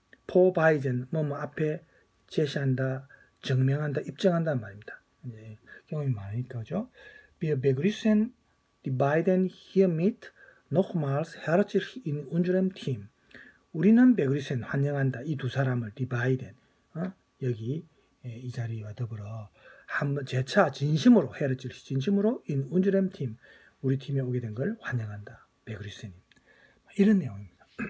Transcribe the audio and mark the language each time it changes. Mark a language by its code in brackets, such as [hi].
[ko] 포 바이젠 뭐 앞에 제시한다, 증명한다, 입증한다는 말입니다. 이제 경험이 많으니까죠. [de] Wir begrüßen die beiden hiermit nochmals herzlich in unserem Team. [ko] 우리는 begrüßen 환영한다 이 두 사람을 [de] die beiden [ko] 여기 이 자리와 더불어 한번 재차 진심으로 herzlich 진심으로 [de] in unserem Team [ko] 우리 팀에 오게 된 걸 환영한다 begrüßen 이런 내용입니다.